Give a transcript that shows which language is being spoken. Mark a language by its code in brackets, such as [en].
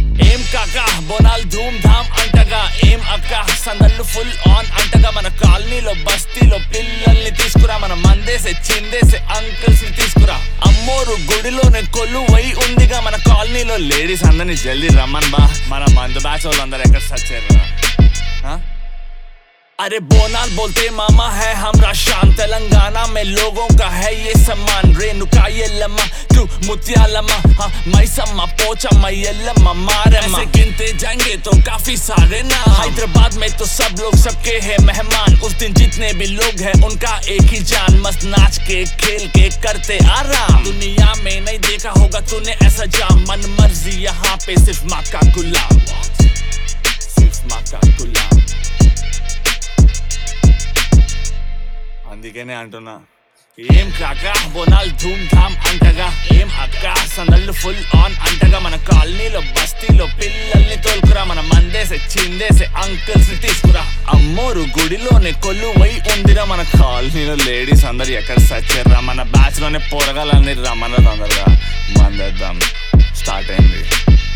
[te] ఏం కాక బోనాల్ ధూమ్ ధామ్ అంటగా, ఏం అక్క సందళ్ళు ఫుల్ ఆన్ అంటగా, మన కాలనీలో బస్తీలో పిల్లల్ని తీసుకురా, మన మందేసే చిందేసే అంకుల్స్ని తీసుకురా, అమ్మోరు గుడిలోనే కొల్లు వై ఉందిగా, మన కాలనీలో లేడీస్ అందరిని జల్దీ రమ్మన్ బా, మన మందు బ్యాచ్ వాళ్ళందరూ ఎక్కడ సచ్చేరా. [hi] अरे बोनाल बोलते मामा है हमरा शान, तेलंगाना में लोगों का है ये सम्मान, रेणुका ये लम्मा तू मुतिया लम्मा, हाँ मई सम्मा पोचा मई लम्मा मारम्मा, ऐसे गिनते जाएंगे तो काफी सारे ना, हैदराबाद में तो सब लोग सबके है मेहमान, उस दिन जितने भी लोग हैं उनका एक ही जान, मस्त नाच के खेल के करते आराम, दुनिया में नहीं देखा होगा तूने ऐसा जाम, मन मर्जी यहाँ पे सिर्फ माँ का गुलाम, सिर्फ माँ का गुलाम. [te] అందుకనే అంటున్నా ఏం కాక బోనాల్ ధూమ్ ధామ్ అంటగా, ఏం అక్క సందళ్ళు ఫుల్ ఆన్ అంటగా, మన కాలనీలో బస్తీలో పిల్లల్ని తోలుకురా, మన మందేసే చిందేసే అంకుల్స్ తీసుకురా, అమ్మోరు గుడిలోనే కొల్లు వై ఉందిరా, మన కాలనీలో లేడీస్ అందరు ఎక్కడ సచ్చారా, మన బ్యాచ్లోనే పోరగాలన్నీ రమ్మన్నారు అందరు, మందేద్దాం స్టార్ట్ అయింది.